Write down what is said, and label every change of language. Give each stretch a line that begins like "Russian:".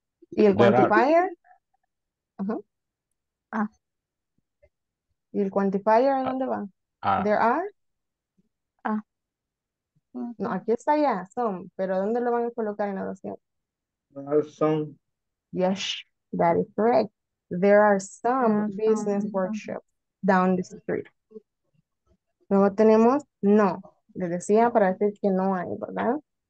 Spanish: Y el quantifier. Y el quantifier, ¿a dónde va?
English: There are.
Spanish: No, aquí está ya, son, pero ¿dónde lo van a colocar en la oración?
English: There are some. Yes, that is correct. There are some business workshops down the street.
Spanish: Luego tenemos, no, le decía para decir que no hay, ¿verdad?